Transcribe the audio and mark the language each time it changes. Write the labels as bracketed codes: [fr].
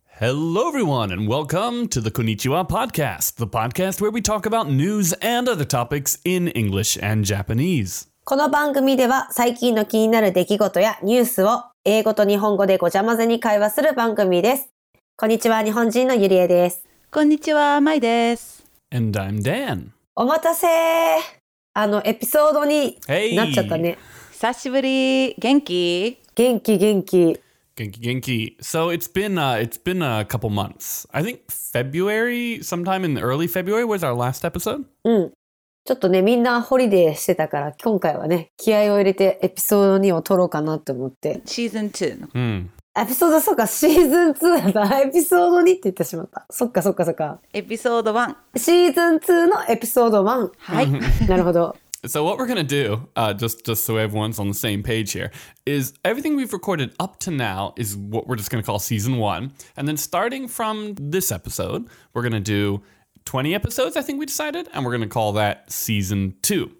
[en] Hello everyone and welcome to the Konnichiwa Podcast, the podcast where we talk about news and other topics in English and Japanese. [ja] この番組では最近の気になる出来事やニュースを英語と日本語でごちゃ混ぜに会話する番組です。こんにちは、日本人のゆりえです。こんにちは、まいです。 [en] And I'm Dan. [ja] お待たせー。あのエピソードになっちゃったね。久しぶり。元気？元気元気。 Genki, genki. [en] So it's been a couple months. I think February, sometime in early February was our last episode. [ja] ちょっとね、みんなホリデーしてたから、今回はね、気合を入れてエピソード2を撮ろうかなと思って。シーズン2の。エピソード、そうか、シーズン2だった。エピソード2って言ってしまった。そっかそっかそっか。エピソード1。シーズン2のエピソード1。はい。なるほど。 [en] So what we're going to do, just so everyone's on the same page here, is everything we've recorded up to now is what we're just going to call season one. And then starting from this episode, we're going to do 20 episodes, I think we decided, and we're going to call that season two.